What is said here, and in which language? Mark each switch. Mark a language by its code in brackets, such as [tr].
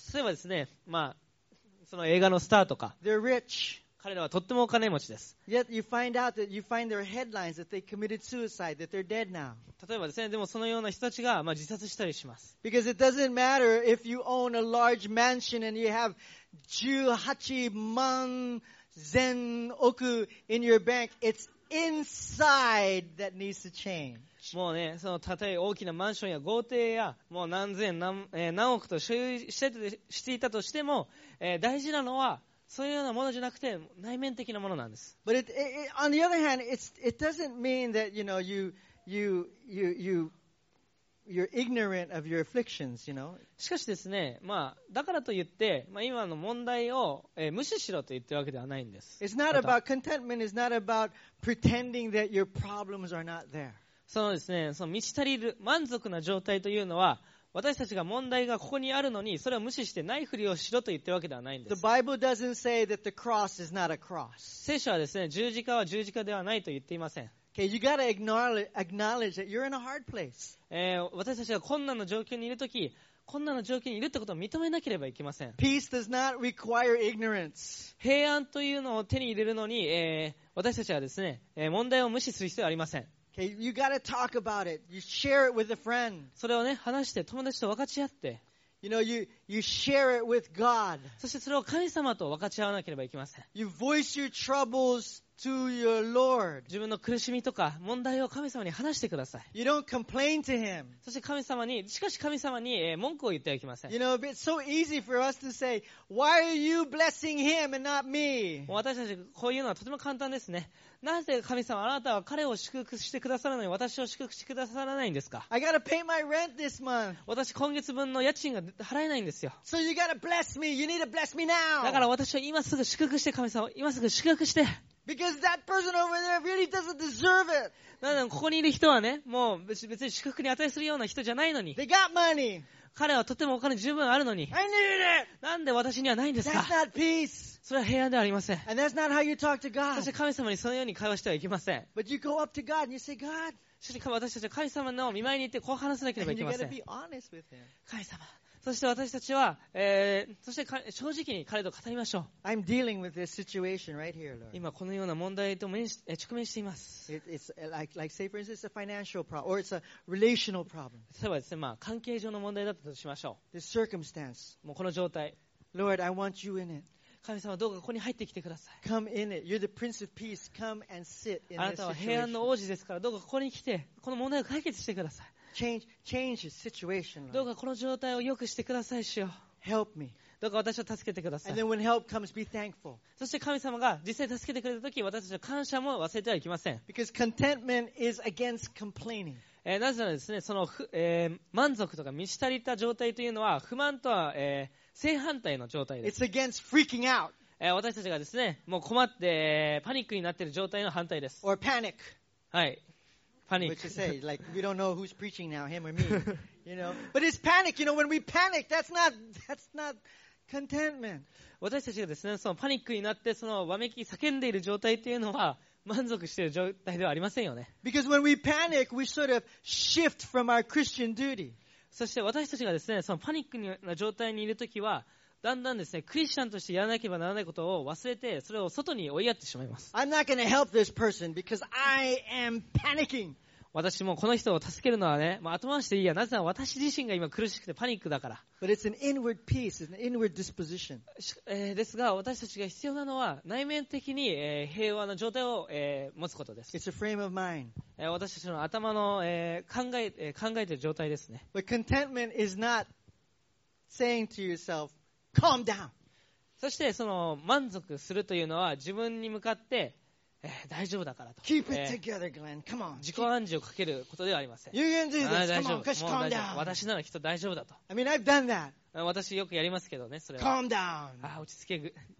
[ja] 例えばですね、まあその映画のスターとか、 [en] They're rich. [ja] 彼らはとってもお金持ちです。 [en] Yet you find out that you find their headlines that they committed suicide, that they're dead now. [ja] 例えばですね、でもそのような人たちが、まあ、自殺したりします。 [en] Because it doesn't matter if you own a large mansion and you have [ja] 18万全億 [en] in your bank, it's inside that needs to change. [ja] もうね、そのたとえ大きなマンションや豪邸や、もう何千 何億と所有していたとしても、大事なのはそういうようなものじゃなくて内面的なものなんです。 [en] But it, on the other hand, it doesn't mean that you know you're ignorant of your afflictions, you know? [ja] しかしですね、まあ、だからといって、まあ、今の問題を、無視しろと言ってるわけではないんです。 [en] It's not about contentment, it's not about pretending that your problems are not there. [ja] そのですね、その満ち足りる満足な状態というのは、私たちが問題がここにあるのに、それを無視してないふりをしろと言ってるわけではないんです。 [en] The Bible doesn't say that the cross is not a cross. [ja] 聖書はですね、十字架は十字架ではないと言っていません。 [en] Okay, you gotta acknowledge that you're in a hard place. [ja] 私たちが困難な状況にいるとき、困難な状況にいるってことを認めなければいけません。 [en] Peace does not require ignorance. [ja] 平安というのを手に入れるのに、私たちはですね、問題を無視する必要はありません。 [en] Okay, you gotta talk about it. You share it with a friend. [ja] それをね、話して友達と分かち合って。 [en] You know, you share it with God. [ja] そしてそれを神様と分かち合わなければいけません。 [en] You voice your troubles. To your Lord. [ja] 自分の苦しみとか問題を神様に話してください。 [en] You don't complain to him. [ja] そして神様に、しかし神様に、文句を言ってはいけません。 [en] You know, it's so easy for us to say, why are you blessing him and not me? [ja] 私たちこういうのはとても簡単ですね。なぜ神様、あなたは彼を祝福してくださるのに私を祝福してくださらないんですか? [en] I gotta pay my rent this month. [ja] 私今月分の家賃が払えないんですよ。 [en] So you gotta bless me. You need to bless me now. [ja] だから私は今すぐ祝福して神様、今すぐ祝福して。 [en] Because that person over there really doesn't deserve it. [ja] なので、ここにいる人はね、もう別に祝福に値するような人じゃないのに。 [en] They got money. [ja] 彼はとてもお金十分あるのに。 [en] I need it. [ja] なんで私にはないんですか? [en] That's not peace. [ja] それは平安ではありません。 [en] And that's not how you talk to God. [ja] そして神様にそのように会話してはいけません。 [en] But you go up to God and you say, God. [ja] そして私たちは神様の見舞いに行ってこう話さなければいけません。 [en] And you gotta be honest with him. [ja] 神様。そして私たちは、そして正直に彼と語りましょう。 [en] I'm dealing with this situation right here, Lord. [ja] 今このような問題と直面しています。 [en] It's like say for instance, a financial problem or it's a relational problem. [ja] 例えばですね、まあ関係上の問題だったとしましょう。 [en] The circumstance. [ja] もうこの状態。 [en] Lord, I want you in it. [ja] 神様どうかここに入ってきてください。 [en] Come in it. You're the Prince of Peace. Come and sit in this situation. [ja] あなたは平安の王子ですからどうかここに来てこの問題を解決してください。 [en] Change his situation. [ja] どうかこの状態を良くしてください主よ。 [en] Help me. [ja] どうか私を助けてください。 [en] And then when help comes, be thankful. [ja] そして神様が実際助けてくれた時、私たちの感謝も忘れてはいけません。 [en] Because contentment is against complaining. [ja] なぜならですね、その、満足とか満ち足りた状態というのは不満とは、正反対の状態です。 [en] It's against freaking out. [ja] 私たちがですね、もう困って、パニックになっている状態の反対です。 [en] Or panic. [ja] はい。 [en] Panic. What you say? Like we don't know who's preaching now, him or me, you know. But it's panic. You know, when we panic, that's not contentment. [ja] 私たちがですね、そのパニックになってそのわめき叫んでいる状態っていうのは満足している状態ではありませんよね。 [en] Because when we panic, we sort of shift from our Christian duty. [ja] そして私たちがですね、そのパニックな状態にいるときは。だんだんですね、クリスチャンとしてやらなければならないことを忘れて、それを外に追いやってしまいます。 [en] I'm not gonna help this person because I am panicking. [ja] 私もこの人を助けるのはね、まあ、後回しでいいや、なぜなら私自身が今苦しくてパニックだから。 [en] But it's an inward peace, it's an inward disposition. [ja] ですが、私たちが必要なのは内面的に、平和な状態を、持つことです。 [en] It's a frame of mind. [ja] 私たちの頭の、考えている状態ですね。 [en] But contentment is not saying to yourself,Calm down. [ja] そしてその満足するというのは自分に向かって、大丈夫だからと。 [en] Keep it together, Glenn. Come on. [ja] 自己暗示をかけることではありません。 [en] You can do this. Come on, just calm down. [ja] 私ならきっと大丈夫だと。 [en] I mean, I've done that. [ja] 私よくやりますけどね、それ [en] は。Calm down. [ja] あ、落ち着け。